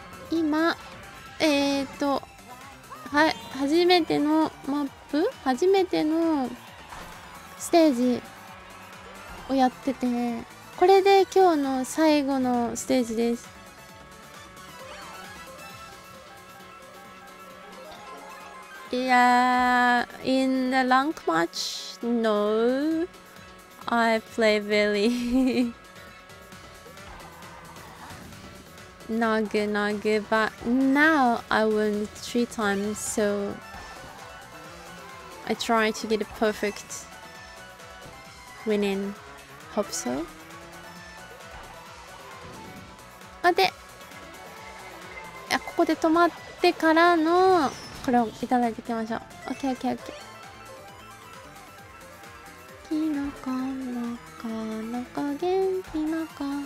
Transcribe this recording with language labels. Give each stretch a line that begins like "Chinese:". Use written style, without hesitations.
Japanese: 今、はい、初めてのマップ、初めてのステージをやってて、これで今日の最後のステージです。
English: いやー、 in the rank match no I play really not good, not good, but now I won 3 times, so I try to get a perfect winning, hope so.
Japanese: 待て、いや、ここで止まってからのこれをいただいていきましょう。
English: OK, OK, OK。
Japanese: キノコ、なかなか元気なか。